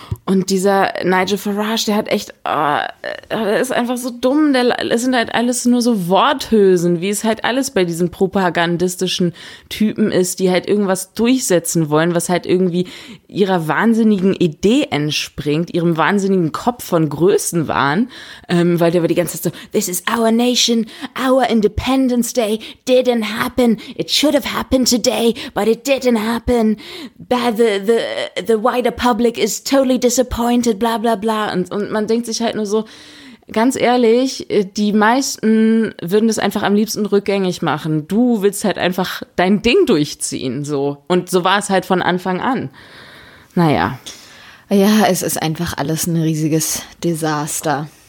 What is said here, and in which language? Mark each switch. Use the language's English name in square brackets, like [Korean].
[German] Und dieser Nigel Farage, der hat echt, der ist einfach so dumm. Es sind halt alles nur so Worthülsen, wie es halt alles bei diesen propagandistischen Typen ist, die halt irgendwas durchsetzen wollen, was halt irgendwie ihrer wahnsinnigen Idee entspringt, ihrem wahnsinnigen Kopf von Größenwahn. Weil der war die ganze Zeit so, [English] this is our nation, our Independence Day didn't happen, it should have happened today, but it didn't happen. The wider public is totally disappointed, bla bla bla. [German] Und man denkt sich halt nur so, ganz ehrlich, die meisten würden das einfach am liebsten rückgängig machen. Du willst halt einfach dein Ding durchziehen. So. Und so war es halt von Anfang an. Naja. Ja, es ist einfach alles ein riesiges Desaster.